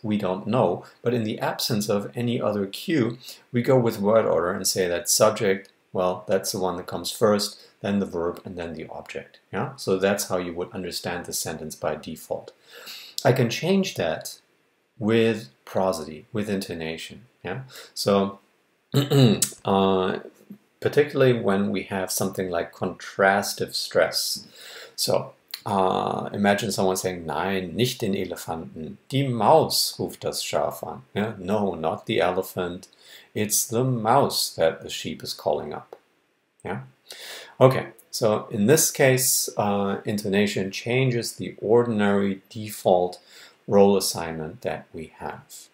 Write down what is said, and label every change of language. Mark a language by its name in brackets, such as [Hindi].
[English] We don't know, but in the absence of any other cue, we go with word order and say that subject, well, that's the one that comes first, then the verb, and then the object. Yeah? So that's how you would understand the sentence by default. I can change that with prosody, with intonation. Yeah? So particularly when we have something like contrastive stress. So imagine someone saying, [German] nein, nicht den Elefanten, die Maus ruft das Schaf an. [English] Yeah? No, not the elephant, it's the mouse that the sheep is calling up. Yeah? Okay, so in this case, intonation changes the ordinary default role assignment that we have.